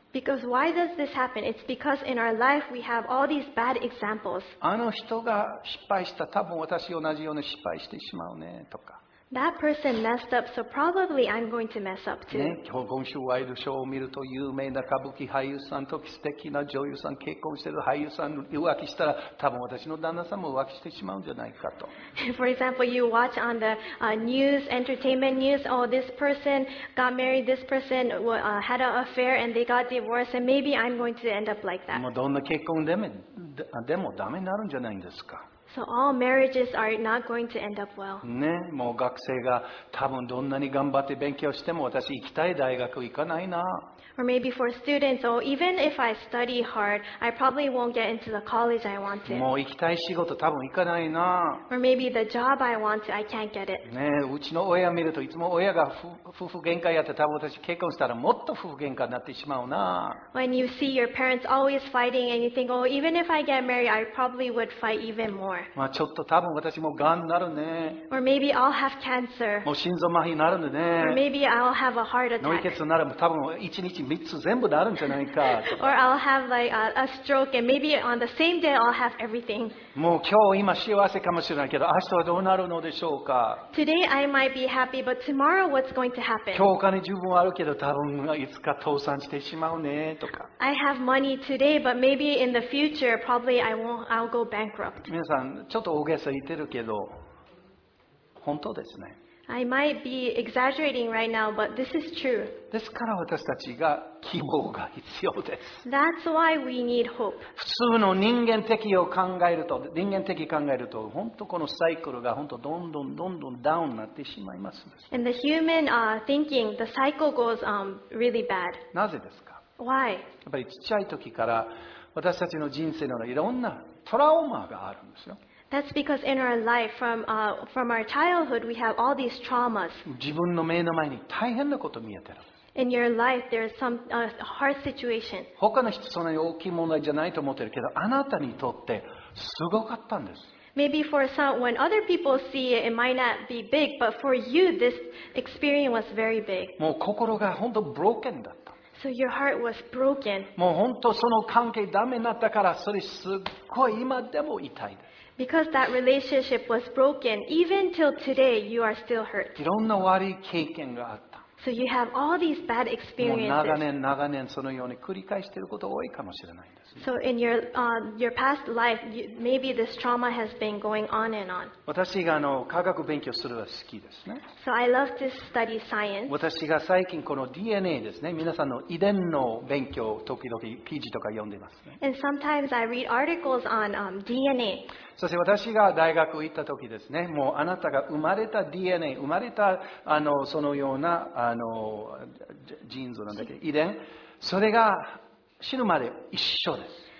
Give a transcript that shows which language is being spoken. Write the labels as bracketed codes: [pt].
[en] Because why does this happen? It's because in our life we have all these bad examples. [ja] あの人が失敗した、多分私同じように失敗してしまうねとか。 [en] That person messed up, so probably I'm going to mess up too. [ja] ね、今週ワイドショーを見ると有名な歌舞伎俳優さんと素敵な女優さん、結婚してる俳優さん浮気したら、多分私の旦那さんも浮気してしまうんじゃないかと。 [en] For example, you watch on the news, entertainment news, oh, this person got married, this person had an affair and they got divorced, and maybe I'm going to end up like that. [ja] もうどんな結婚でもダメになるんじゃないんですか。 [en] So all marriages are not going to end up well. [ja] ね、もう学生が多分どんなに頑張って勉強しても私行きたい大学行かないな。 [en] Or maybe for students, or even if I study hard, I probably won't get into the college I want to. [ja] もう行きたい仕事多分行かないな。 [en] Or maybe the job I want to, I can't get it. [ja] ね、うちの親見るといつも親が夫婦喧嘩やって多分私結婚したらもっと夫婦喧嘩になってしまうな。 [en] When you see your parents always fighting and you think, oh, even if I get married, I probably would fight even more. [ja] まあ、ちょっと多分私もがんになるね。 [en] Or maybe I'll have cancer. [ja] もう心臓麻痺になるね。 [en] Or maybe I'll have a heart attack. [ja] 脳血になる、多分1日3つ全部なるんじゃないか。 [en] Or I'll have like a stroke and maybe on the same day I'll have everything. [ja] もう今日今幸せかもしれないけど、明日はどうなるのでしょうか。 [en] Today I might be happy, but tomorrow what's going to happen? [ja] 今日お金十分あるけど、多分いつか倒産してしまうねとか。 [en] I have money today, but maybe in the future probably I'll go bankrupt. [ja] 皆さんちょっと大げさ言ってるけど本当ですね。 [en] I might be exaggerating right now, but this is true. [ja] ですから私たちが希望が必要です。 [en] That's why we need hope. [ja] 普通の人間的を考えると人間的考えると本当このサイクルが本当どんどんどんどんダウンになってしまいます。 [en] And the human thinking, the cycle goes really bad. [ja] なぜですか。 [en] Why? [ja] やっぱりちっちゃい時から私たちの人生のいろんなトラウマがあるんですよ。 [en] That's because in our life, from our childhood, we have all these traumas. [ja] 自分の目の前に大変なこと見えてる。 [en] In your life, there's some hard situation. [ja] 他の人そんなに大きい問題じゃないと思ってるけど、あなたにとってすごかったんです。 [en] Maybe for some, when other people see it, it might not be big, but for you, this experience was very big. [ja] もう心が本当 broken だ。 [en] So your heart was broken. [ja] もう本当その関係ダメになったからそれすっごい今でも痛いです。 [en] Because that relationship was broken, even till today, you are still hurt. [ja] いろんな悪い経験があった。 [en] So you have all these bad experiences. [ja] もう長年そのように繰り返していること多いかもしれないです、ね。 [en] So in your past life, maybe this trauma has been going on and on. [ja] 私が科学勉強するのは好きですね。 [en] So I love to study science. [ja] 私が最近この DNA ですね、皆さんの遺伝の勉強を時々記事とか読んでいます、ね。 [en] And sometimes I read articles on DNA. [ja] そして私が大学行った時ですね、もうあなたが生まれた DNA、生まれたそのようなジーンズなんだっけ遺伝、それが死ぬまで一緒です。